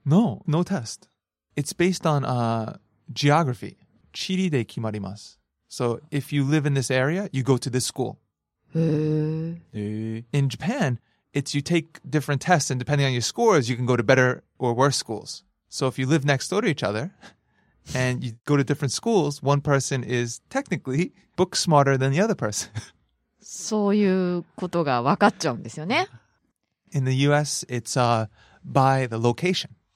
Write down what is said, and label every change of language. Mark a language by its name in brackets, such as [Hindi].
[English] No, no test It's based on geography [Japanese] 地理で決まります [English] So if you live in this area, you go to this schoolIn Japan, it's you take different tests, and depending on your scores, you can go to better or worse schools. So if you live next door to each other, and you go to different schools, one person is technically book smarter than the other person. [Japanese] そういうことが分かっちゃうんですよね。 [English] In the U.S., it's by the location.